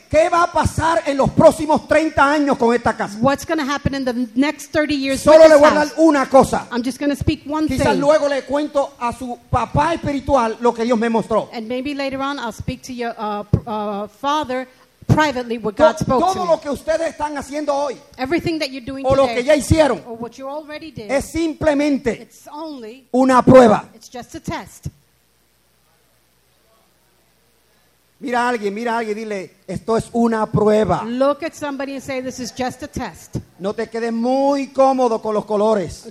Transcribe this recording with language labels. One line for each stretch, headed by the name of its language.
Spanish: ¿Qué va a pasar en los próximos 30 años con esta casa?
English: What's going to happen in the next 30 years?
Spanish: Solo
English: with this
Spanish: le voy a dar una cosa.
English: I'm just going to speak one
Spanish: quizás
English: thing.
Spanish: Quizás luego le cuento a su papá espiritual lo que Dios me mostró.
English: And maybe later on I'll speak to your father privately what God spoke
Spanish: todo
English: to me.
Spanish: Todo lo que ustedes están haciendo hoy.
English: Everything that you're doing
Spanish: o
English: today.
Spanish: O lo que ya hicieron.
English: Or what you already did.
Spanish: Es simplemente
English: it's only
Spanish: una prueba.
English: It's just a test.
Spanish: Mira a alguien, mira a alguien, dile, esto es una prueba.
English: Look at somebody and say, this is just a test.
Spanish: No te quedes muy cómodo con los colores.